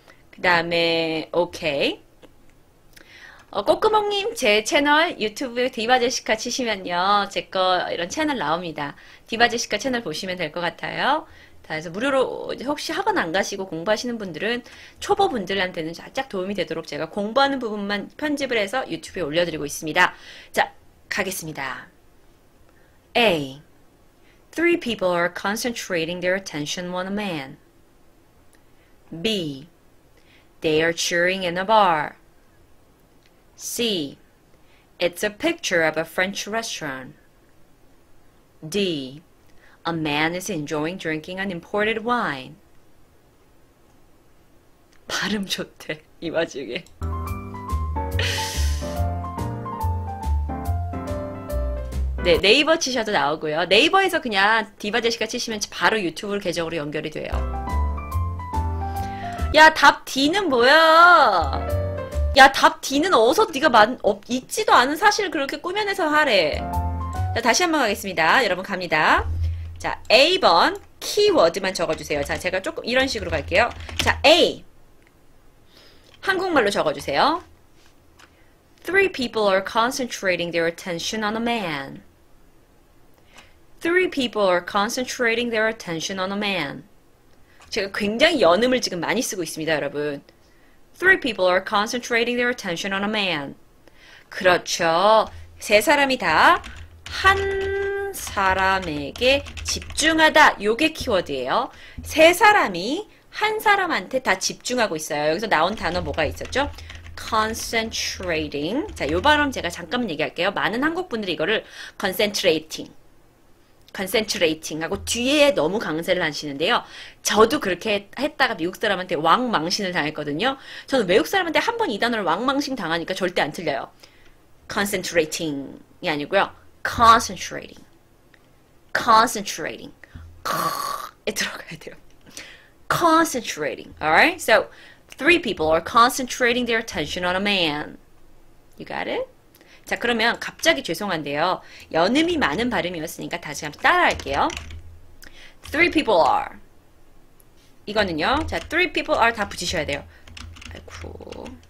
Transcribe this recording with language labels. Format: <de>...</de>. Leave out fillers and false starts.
<ko>그 다음에 오케이. 꼬꾸멍님 제 채널 유튜브에 디바제시카 치시면요. 제 거 이런 채널 나옵니다. 디바제시카 채널 보시면 될 것 같아요. 그래서 무료로 혹시 학원 안 가시고 공부하시는 분들은 초보 분들한테는 살짝 도움이 되도록 제가 공부하는 부분만 편집을 해서 유튜브에 올려드리고 있습니다. 자, 가겠습니다. A.</ko> <en>Three people are concentrating their attention on a man. B. They are cheering in a bar. C. It's a picture of a French restaurant. D. A man is enjoying drinking an imported wine.</en> <ko>발음 좋대, 이 와중에. 네, 네이버 치셔도 나오고요. 네이버에서 그냥 디바제시카 치시면 바로 유튜브 계정으로 연결이 돼요. 야, 답 D는 뭐야? 야, 답 D는 어디서 네가 있지도 않은 사실을 그렇게 꾸며내서 하래. 자, 다시 한번 가겠습니다. 여러분 갑니다. 자, A번 키워드만 적어주세요. 자, 제가 조금 이런 식으로 갈게요. 자, A 한국말로 적어주세요.</ko> <en>Three people are concentrating their attention on a man. Three people are concentrating their attention on a man.</en> <ko>제가 굉장히 연음을 지금 많이 쓰고 있습니다, 여러분.</ko> <en>Three people are concentrating their attention on a man.</en> <ko>그렇죠. 세 사람이 다 한 사람에게 집중하다. 요게 키워드예요. 세 사람이 한 사람한테 다 집중하고 있어요. 여기서 나온 단어 뭐가 있었죠?</ko> <en>Concentrating.</en> <ko>자, 요 발음 제가 잠깐만 얘기할게요. 많은 한국 분들이 이거를 concentrating. Concentrating 하고 뒤에 너무 강세를 하시는데요. 저도 그렇게 했다가 미국 사람한테 왕망신을 당했거든요. 저는 외국 사람한테 한 번 이 단어를 왕망신 당하니까 절대 안 틀려요. Concentrating이 아니고요. Concentrating. Concentrating. 크에 들어가야 돼요.</ko> <en>Concentrating. Alright? So, three people are concentrating their attention on a man. You got it?</en> <ko>자, 그러면 갑자기 죄송한데요. 연음이 많은 발음이었으니까 다시 한번 따라할게요.</ko> <en>Three people are.</en> <ko>이거는요. 자,</ko> <en>three people are</en> <ko>다 붙이셔야 돼요. 아이쿠.</ko>